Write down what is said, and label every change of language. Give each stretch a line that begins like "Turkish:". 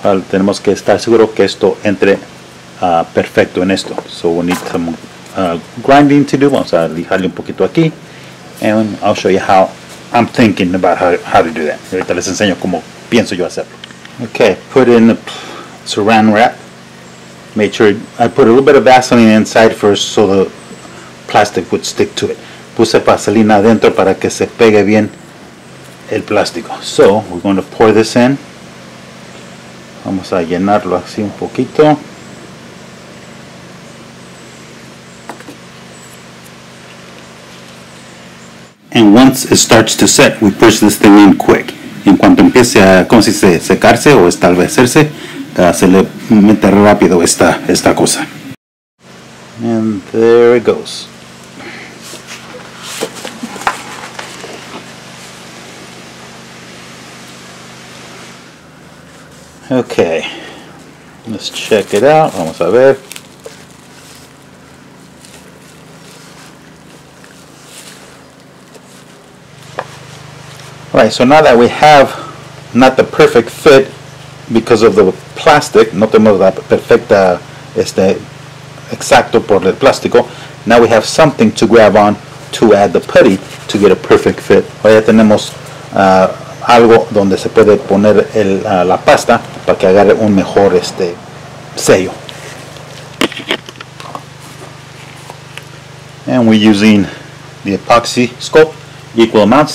Spanish: Tenemos que estar seguro que esto entre perfecto en esto.
English: So we need some grinding to do.
Spanish: Vamos a lijarle un poquito aquí.
English: And I'll show you how I'm thinking about how to do that.
Spanish: Y ahorita les enseño cómo pienso yo hacerlo.
English: Okay, put in the saran wrap. Made sure I put a little bit of Vaseline inside first so the plastic would stick to it.
Spanish: Puse vaselina adentro para que se pegue bien el plástico.
English: So, we're going to pour this in.
Spanish: Vamos a llenarlo así un poquito.
English: And once it starts to set, we push this thing in quick.
Spanish: En cuanto empiece a, como si se secarse o establecerse, se le mete rápido esta cosa.
English: And there it goes. Okay. Let's check it out.
Spanish: Vamos a ver.
English: Alright, so now that we have not the perfect fit because of the plastic,
Spanish: no tenemos la perfecta exacto por el plástico.
English: Now we have something to grab on to add the putty to get a perfect fit.
Spanish: Ahora ya tenemos algo donde se puede poner la pasta para que agarre un mejor sello.
English: And we're using the epoxy sculpt equal amounts.